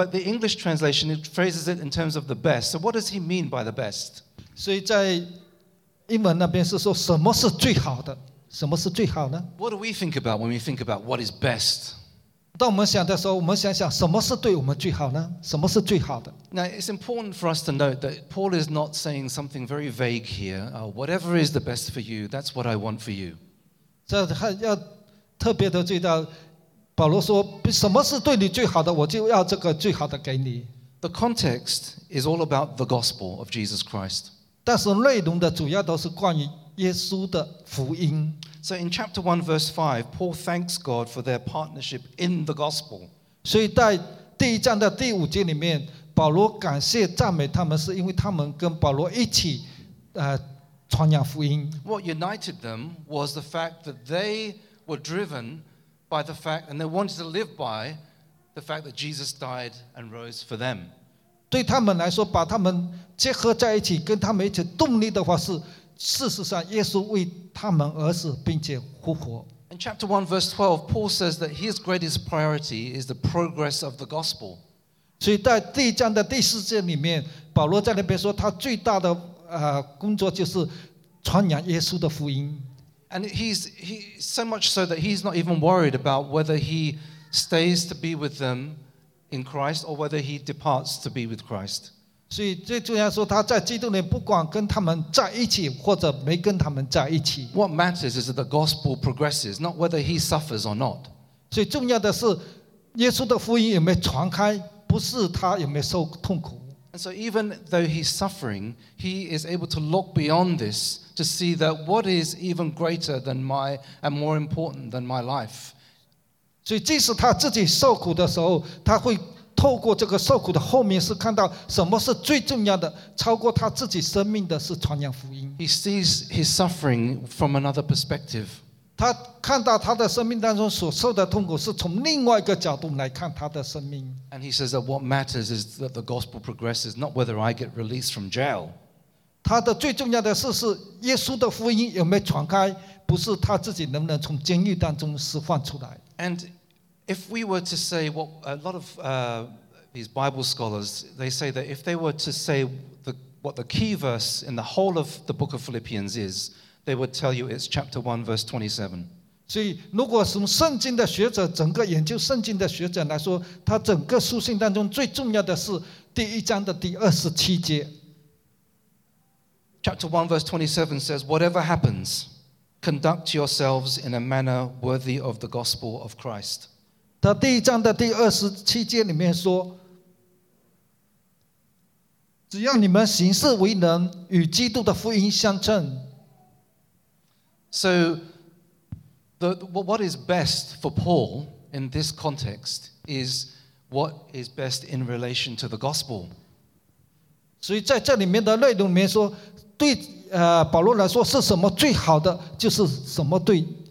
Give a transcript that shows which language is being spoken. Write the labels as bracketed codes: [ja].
[en] But the English translation it phrases it in terms of the best. So what does he mean by the best? [zh] 所以在英文那边是说什么是最好的？什么是最好呢？ [en] What do we think about when we think about what is best? [zh] 当我们想的时候，我们想想什么是对我们最好呢？什么是最好的？ [en] Now it's important for us to note that Paul is not saying something very vague here. Whatever is the best for you, that's what I want for you. [zh] 这要特别的注意到，保罗说什么是对你最好的，我就要这个最好的给你。 [en] The context is all about the gospel of Jesus Christ. [zh] 但是内容的主要都是关于耶稣的福音。 [en] So in chapter 1 verse 5, Paul thanks God for their partnership in the gospel. [zh] 所以在第一章的第五节里面，保罗感谢赞美他们，是因为他们跟保罗一起，传扬福音。 [en] What united them was the fact that they were driven by the fact, and they wanted to live by the fact that Jesus died and rose for them. [zh] 对他们来说，把他们结合在一起，跟他们一起动力的话是。事实上耶稣为他们而死并且复活。 [en] In chapter 1 verse 12, Paul says that his greatest priority is the progress of the gospel. [zh] 所以在第一章的第四节里面，保罗在那边说他最大的工作就是传扬耶稣的福音。 [en] And he's so much so that he's not even worried about whether he stays to be with them in Christ or whether he departs to be with Christ. [zh] 所以最重要说他在基督里不管跟他们在一起或者没跟他们在一起。 [en] What matters is that the gospel progresses, not whether he suffers or not. [zh] 所以重要的是耶稣的福音有没有传开，不是他有没有受痛苦。 [en] And so even though he's suffering, he is able to look beyond this to see that what is even greater than my and more important than my life. [zh] 所以即使他自己受苦的时候，他会透过这个受苦的后面是看到什么是最重要的，超过他自己生命的是传扬福音。 [en] He sees his suffering from another perspective. [zh] 他看到他的生命当中所受的痛苦是从另外一个角度来看他的生命。 [en] And he says that what matters is that the gospel progresses, not whether I get released from jail. [zh] 他的最重要的是耶稣的福音有没有传开，不是他自己能不能从监狱当中释放出来。 [en] And if we were to say what a lot of these Bible scholars, they say that if they were to say what the key verse in the whole of the book of Philippians is, they would tell you it's chapter 1, verse 27. [zh] 所以如果从圣经的学者，整个研究圣经的学者来说，他整个书信当中最重要的是第一章的第二十七节。 [en] Chapter 1, verse 27 says, whatever happens, conduct yourselves in a manner worthy of the gospel of Christ. [zh] 他第一章的第二十七节里面说，只要你们行事为人，与基督的福音相称。 [en] So what is best for Paul in this context is what is best in relation to the gospel. [zh] 所以在这里面的内容里面说，对保罗来说是什么最好的，就是什么对